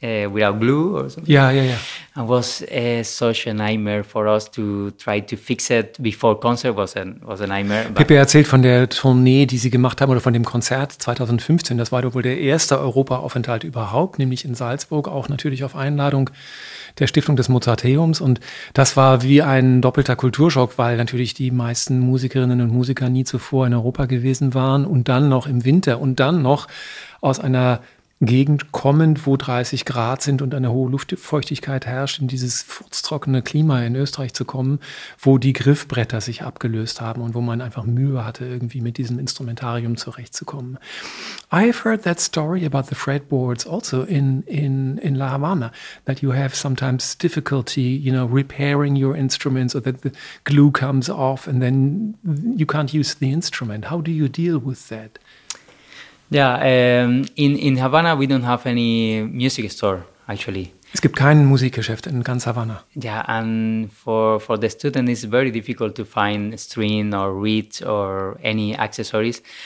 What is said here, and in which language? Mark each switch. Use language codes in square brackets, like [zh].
[en] without glue or something. Yeah. And was such a nightmare for us to try to fix it before concert was a nightmare. [de] Pepe erzählt von der Tournee, die sie gemacht haben, oder von dem Konzert 2015. Das war doch wohl der erste Europaaufenthalt überhaupt, nämlich in Salzburg, auch natürlich auf Einladung der Stiftung des Mozarteums. Und das war wie ein doppelter Kulturschock, weil natürlich die meisten Musikerinnen und Musiker nie zuvor in Europa gewesen waren und dann noch im Winter und dann noch aus einer Gegend kommend, wo 30 Grad sind und eine hohe Luftfeuchtigkeit herrscht, in dieses furztrockene Klima in Österreich zu kommen, wo die Griffbretter sich abgelöst haben und wo man einfach Mühe hatte, irgendwie mit diesem Instrumentarium zurechtzukommen. [en] I've heard that story about the fretboards also in La Habana, that you have sometimes difficulty, you know, repairing your instruments, or that the glue comes off and then you can't use the instrument. How do you deal with that? Yeah, in Havana we don't have any music store, actually. [de] Es gibt kein Musikgeschäft in ganz Havana. [en] Yeah, and for the student it's very difficult to find string or reed or any accessories.